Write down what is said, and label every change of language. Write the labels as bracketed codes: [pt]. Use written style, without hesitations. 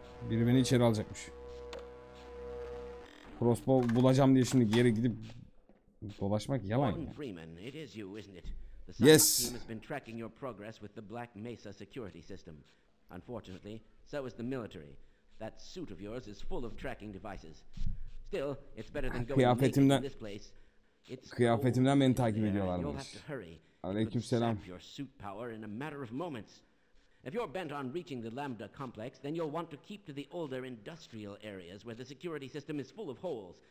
[tr] Biri beni içeri alacakmış. Crossbow bulacağım diye şimdi geri gidip dolaşmak yalan ya. [en] Freeman, it is you, isn't it? The yes. The team has been tracking your progress with the Black Mesa security system. Unfortunately, so is the military. That suit of yours is full of tracking devices. Still, it's better than going to this place. [tr] Kıyafetimden beni takip ediyorlarmış. Aleykümselam. [en] Your suit power in a matter of moments. If you're bent on reaching the Lambda complex, then you'll want to keep to the older industrial areas where the security system is full of holes.